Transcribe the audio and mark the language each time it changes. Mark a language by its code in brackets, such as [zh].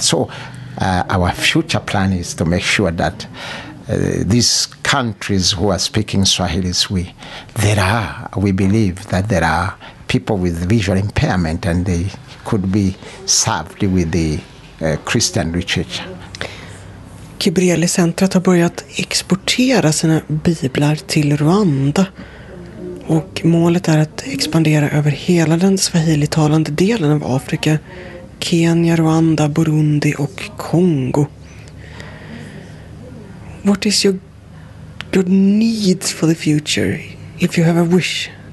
[en] So our future plan is to make sure that these countries who are speaking Swahili, we believe that there are people with visual impairment and they could be served with the Christian literature. [sv] Kibreli-centret har börjat exportera sina biblar till Rwanda och målet är att expandera över hela den swahilitalande delen av Afrika, Kenya, Rwanda, Burundi och Kongo. [en] What is your needs for the future, if you have a wish?